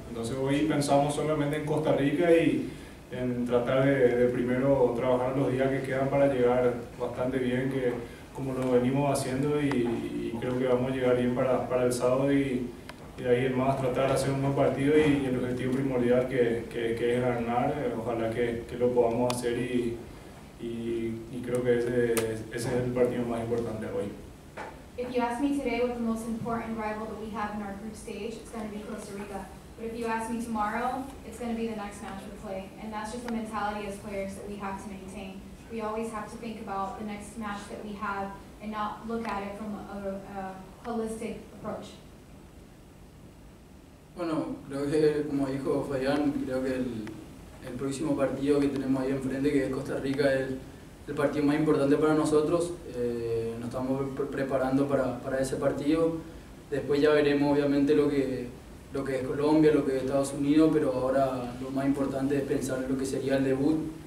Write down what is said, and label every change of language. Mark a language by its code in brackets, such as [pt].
[es] Entonces hoy pensamos solamente en Costa Rica y en tratar de primero trabajar los días que quedan para llegar bastante bien, que como lo venimos haciendo, y creo que vamos a llegar bien para el sábado y de ahí en más tratar de hacer un buen partido y el objetivo primordial que es ganar, ojalá que lo podamos hacer y creo que ese es el partido más importante hoy. [en] If you ask me today what the most important rival that we have in our group stage, it's going to be Costa Rica. But if you ask me tomorrow, it's going to be the next match we play. And that's just the mentality as players that we have to maintain. We always have to think about the next match that we have and not look at it from a holistic approach. [es] Bueno, creo que como dijo Fayán, creo que el próximo partido que tenemos ahí enfrente, que es Costa Rica, es el partido más importante para nosotros. Estamos preparando para ese partido. Después ya veremos obviamente lo que es Colombia, lo que es Estados Unidos, pero ahora lo más importante es pensar en lo que sería el debut.